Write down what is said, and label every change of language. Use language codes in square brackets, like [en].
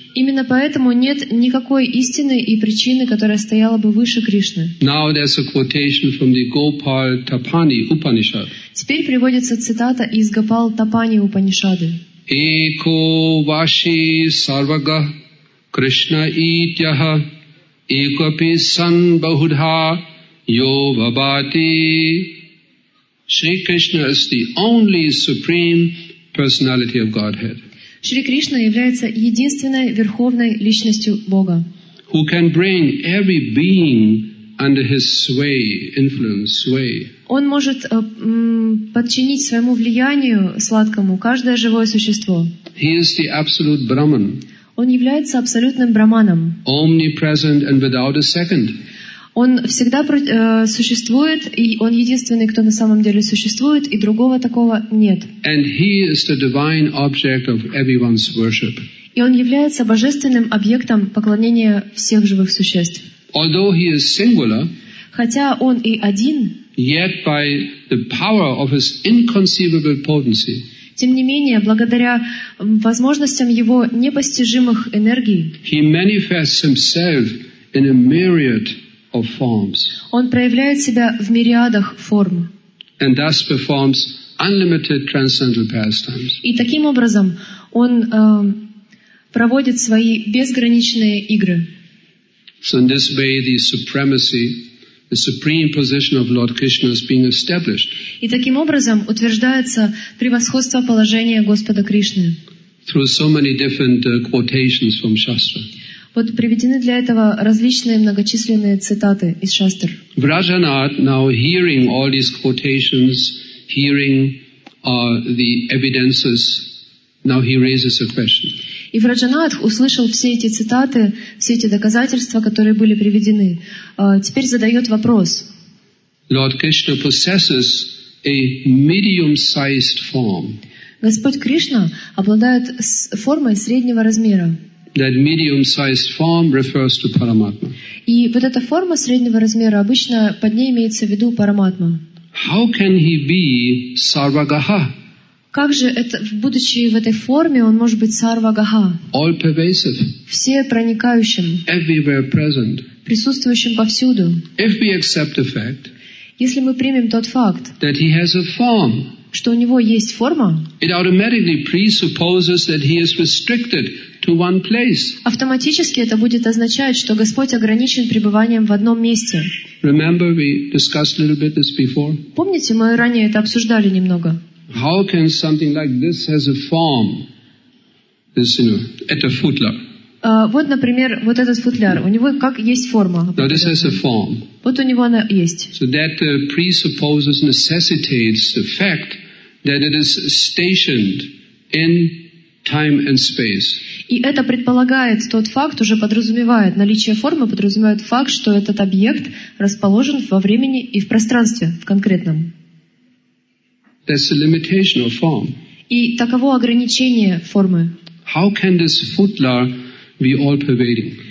[ru] Именно поэтому нет никакой истины и причины, которая стояла бы выше Кришны. [en] Now there's a quotation from the Gopal Tapani Upanishad. [ru] Теперь приводится цитата из Гопал Тапани Упанишады. [sa] Эко ваши сарвага Кришна итяха экапи сан бахудха йо вабати. [en] Shri Krishna is the only supreme personality of Godhead. [ru] Шри Кришна является единственной верховной личностью Бога. [en] Who can bring every being under his sway, influence, sway? [ru] Он может подчинить своему влиянию сладкому каждое живое существо. [en] He is the absolute Brahman. [ru] Он является абсолютным браманом. [en] Omnipresent and without a second. [ru] Он всегда существует, и он единственный, кто на самом деле существует, и другого такого нет. [en] And he is the divine object of everyone's worship. [ru] И он является божественным объектом поклонения всех живых существ. [en] Although he is singular, [ru] хотя он и один, [en] yet by the power of his inconceivable potency, [ru] тем не менее, благодаря возможностям его непостижимых энергий, [en] he manifests himself in a myriad of forms. [ru] Он проявляет себя в мириадах форм. [en] And thus performs unlimited transcendental pastimes. [ru] И таким образом он проводит свои безграничные игры. [en] So in this way, the supremacy, the supreme position of Lord Krishna is being established. [ru] И таким образом утверждается превосходство положения Господа Кришны. [en] Through so many different quotations from Shastra. [ru] Вот приведены для этого различные многочисленные цитаты из Шастр. [en] Vrajanath, now hearing all these quotations, hearing the evidences, now he raises a question. [ru] И Враджанатх услышал все эти цитаты, все эти доказательства, которые были приведены. Теперь задает вопрос. [en] Lord Krishna possesses a medium-sized form. [ru] Господь Кришна обладает формой среднего размера. [en] That medium-sized form refers to Paramatma. [ru] И вот эта форма среднего размера обычно под ней имеется в виду Параматма. [en] How can he be Sarvagaha? [ru] Как же это, будучи в этой форме, он может быть сарвагаха? [en] All pervasive. [ru] Все проникающим. [en] Everywhere present. [ru] Присутствующим повсюду. [en] If we accept the fact, [ru] если мы примем тот факт, [en] that he has a form, [ru] что у него есть форма, [en] it automatically presupposes that he is restricted to one place. [ru] Автоматически это будет означать, что Господь ограничен пребыванием в одном месте. [en] Remember, we discussed a little bit this before. [ru] Помните, мы ранее это обсуждали немного. [en] How can something like this has a form? This, you know, [ru] это футляр. Вот, например, вот этот футляр. У него как есть форма? [en] No, this has a form. [ru] Вот у него она есть. [en] So that presupposes, necessitates the fact that it is stationed in time and space. [ru] И это предполагает тот факт, уже подразумевает наличие формы, подразумевает факт, что этот объект расположен во времени и в пространстве в конкретном. [en] That's the limitation of form. [ru] И таково ограничение формы. [en] How can this futlar be all pervading?